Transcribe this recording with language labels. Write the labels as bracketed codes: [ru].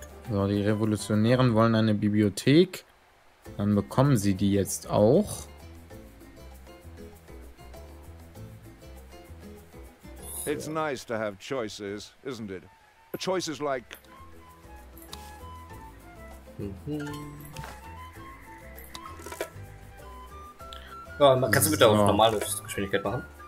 [de] So, die Revolutionären wollen eine Bibliothek. Dann bekommen sie die jetzt auch. [en] It's nice to have choices, isn't it? A choice is like. [de] Mhm. Ja, kannst du bitte auf normale Geschwindigkeit machen?